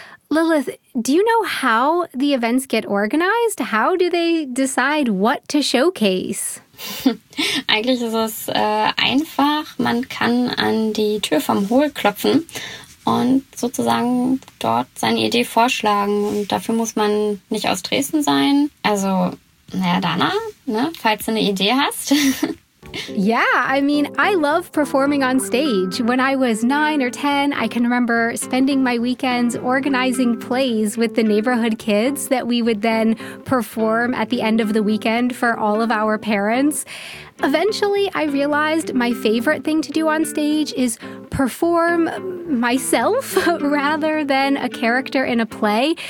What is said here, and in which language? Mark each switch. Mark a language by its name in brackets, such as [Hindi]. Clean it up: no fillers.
[English] Lilith, do you know how the events get organized? How do they decide what to showcase? [German] Eigentlich ist es einfach. Man kann an die Tür vom Hohl klopfen und sozusagen dort seine Idee vorschlagen. Und dafür muss man nicht aus Dresden sein. Also, naja, Dana, ne, falls du eine Idee hast. [English] Yeah, I mean, I love performing on stage. When I was 9 or 10, I can remember spending my weekends organizing plays with the neighborhood kids that we would then perform at the end of the weekend for all of our parents. Eventually, I realized my favorite thing to do on stage is perform myself rather than a character in a play.